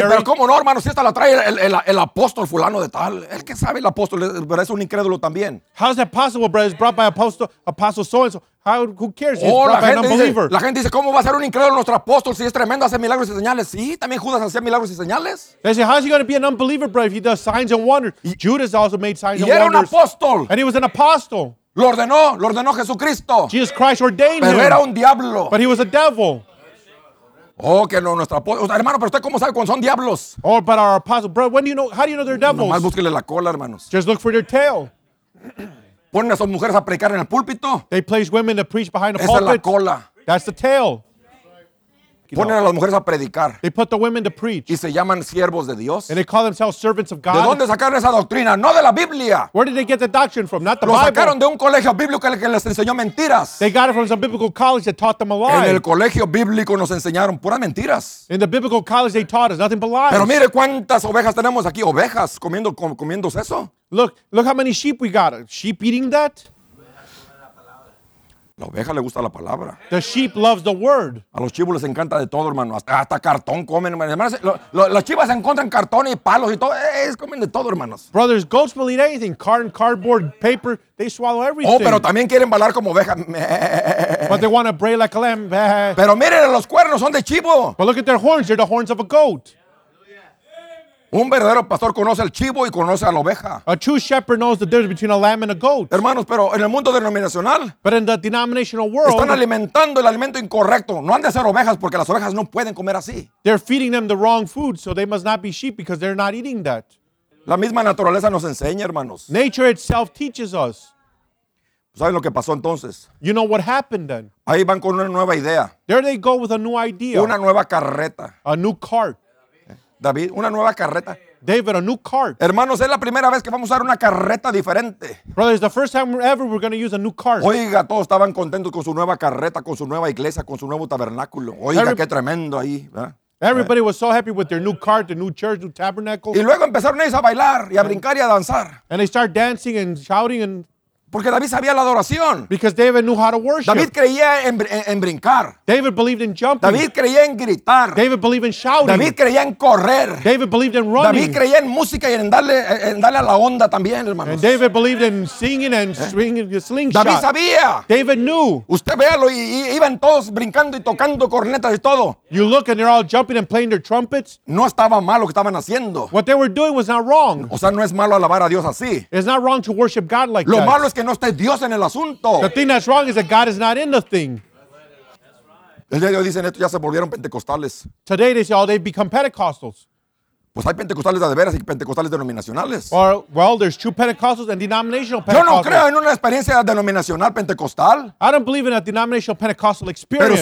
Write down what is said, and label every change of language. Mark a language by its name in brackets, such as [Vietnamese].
[Spanish] Oye, pero cómo no, hermano, si esta la trae el apóstol fulano de tal. El que sabe el apóstol, pero es un incrédulo también. [English] How is that possible, brother? It's brought by apostle so-and-so. Who cares? He's brought by an unbeliever. [Spanish] La gente dice, ¿cómo va a ser un incrédulo nuestro apóstol si es tremendo, hace milagros y señales? Sí, también Judas hacía milagros y señales. [English] They say, how is he going to be an unbeliever, bro, if he does signs and wonders? Judas also made signs and [Spanish] Y era un apóstol. [English] And he was an apostle. [Spanish] Lo ordenó Jesucristo. [English] Jesus Christ ordained him. [Spanish] Pero era un diablo. [English] But he was a devil. [Spanish] Oh, que no, nuestro apóstol. Hermano, ¿pero usted cómo sabe cuando son diablos? [English] Oh, but our apostle. Bro, when do you know, how do you know they're devils? [Spanish] Nomás búsquenle la cola, hermanos. [English] Just look for their tail. [Spanish] Ponen a esas mujeres a predicar en el púlpito. [English] They place women to preach behind the [Spanish] Esa [English] pulpit. [Spanish] Esa es la cola. [English] That's the tail. [Spanish] Ponen a las mujeres a predicar. [English] They put the women to preach. [Spanish] Y se llaman siervos de Dios. [English] And they call themselves servants of God. [Spanish] ¿De dónde sacaron esa doctrina? No de la Biblia. [English] Where did they get the doctrine from? Not the [Spanish] Lo [English] Bible. [Spanish] Lo sacaron de un colegio bíblico que les enseñó mentiras. [English] They got it from some biblical college that taught them a lie. [Spanish] En el colegio bíblico nos enseñaron puras mentiras. [English] In the biblical college they taught us nothing but lies. [Spanish] Pero mire cuántas ovejas tenemos aquí. Ovejas comiendo eso. [English] Look how many sheep we got. Sheep eating that? [Spanish] La oveja le gusta la palabra. [English] The sheep loves the word. [Spanish] A los chivos les encanta de todo, hermano. Hasta cartón comen, hermano. Además, las chivas encuentran cartón y palos y todo. Comen de todo, hermanos. [English] Brothers, goats will eat anything. Cardboard, paper. They swallow everything. [Spanish] Oh, pero también quieren balar como oveja. [English] But But they want to bray like a lamb. [Spanish] Pero miren, los cuernos son de chivo. [English] But look at their horns. They're the horns of a goat. [Spanish] Un verdadero pastor conoce al chivo y conoce a la oveja. [English] A true shepherd knows the difference between a lamb and a goat. [Spanish] Hermanos, pero en el mundo denominacional, [English] but in the denominational world, [Spanish] están alimentando el alimento incorrecto. No han de ser ovejas porque las ovejas no pueden comer así. [English] They're feeding them the wrong food, so they must not be sheep because they're not eating that. [Spanish] La misma naturaleza nos enseña, hermanos. [English] Nature itself teaches us. [Spanish] ¿Saben lo que pasó entonces? [English] You know what happened then? [Spanish] Ahí van con una nueva idea. [English] There they go with a new idea. [Spanish] Una nueva carreta. [English] A new cart. [Spanish] David, una nueva carreta. [English] David, a new cart. [Spanish] Hermanos, es la primera vez que vamos a usar una carreta diferente. [English] Brothers, the first time ever we're going to use a new cart. [Spanish] Oiga, todos estaban contentos con su nueva carreta, con su nueva iglesia, con su nuevo tabernáculo. Oiga, qué tremendo ahí, ¿verdad? [English] Everybody was so happy with their new cart, the new church, new tabernacle. [Spanish] Y luego empezaron ellos a bailar y a brincar y a danzar. [English] And they start dancing and shouting and... [Spanish] Porque David sabía la adoración. [English] Because David knew how to worship. [Spanish] David creía en brincar. [English] David believed in jumping. [Spanish] David creía en gritar. [English] David believed in shouting. [Spanish] David creía en correr. [English] David believed in running. [Spanish] David creía en música y en darle a la onda también, hermanos. [English] And David believed in singing and swinging the slingshot. [Spanish] David sabía. [English] David knew. [Spanish] Usted véalo y iban todos brincando y tocando cornetas y todo. [English] You look and they're all jumping and playing their trumpets. [Spanish] No estaba mal lo que estaban haciendo. [English] What they were doing was not wrong. [Spanish] O sea, no es malo alabar a Dios así. [English] It's not wrong to worship God like [Spanish] lo [English] that. [Spanish] Lo malo es que no esté Dios en el asunto. [English] The thing that's wrong is that God is not in the thing. [Spanish] El día de hoy dicen esto, ya se volvieron pentecostales. [English] Today they say, oh, they've become Pentecostals. [Spanish] Pues hay pentecostales de veras y pentecostales denominacionales. [English] Or, well, there's true Pentecostals and denominational Pentecostals. [Spanish] Yo no creo en una experiencia denominacional pentecostal. [English] I don't believe in a denominational Pentecostal experience.